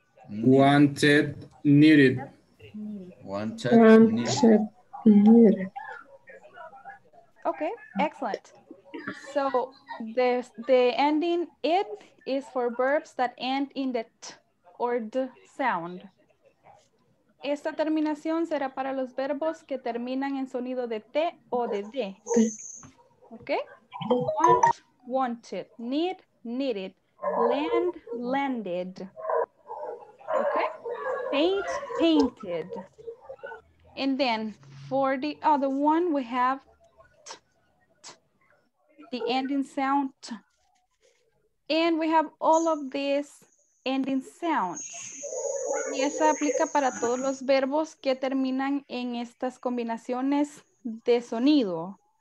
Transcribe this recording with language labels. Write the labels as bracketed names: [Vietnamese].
[English] Wanted, needed. Wanted, needed. Okay, excellent. So the ending id is for verbs that end in the t or d sound. [Spanish] Esta terminación será para los verbos que terminan en sonido de t o de d. [English] Okay? Want, wanted. Need, needed. Land, landed. Okay? Paint, painted. And then for the other one, we have the ending sound t. And we have all of these ending sounds. [Spanish] Y esa aplica para todos los verbos que terminan en estas combinaciones de sonido.